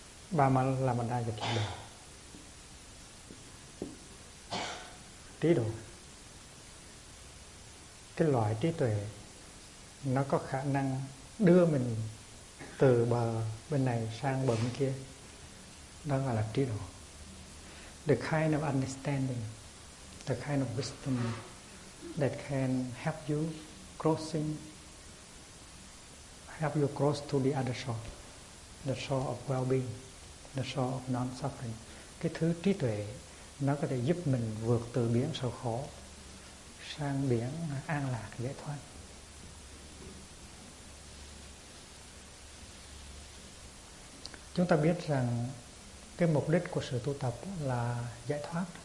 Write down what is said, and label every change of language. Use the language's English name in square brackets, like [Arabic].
[Vietnamese] Ba Ma La Mật Đa dịch là trí độ. Cái loại trí tuệ nó có khả năng đưa mình từ bờ bên này sang bờ bên kia, đó gọi là trí độ. [English] The kind of understanding, the kind of wisdom that can help you crossing, help you cross to the other shore, the shore of well-being, the shore of non-suffering. [Vietnamese] Cái thứ trí tuệ nó có thể giúp mình vượt từ biển sầu khổ sang biển an lạc giải thoát. Chúng ta biết rằng cái mục đích của sự tu tập là giải thoát.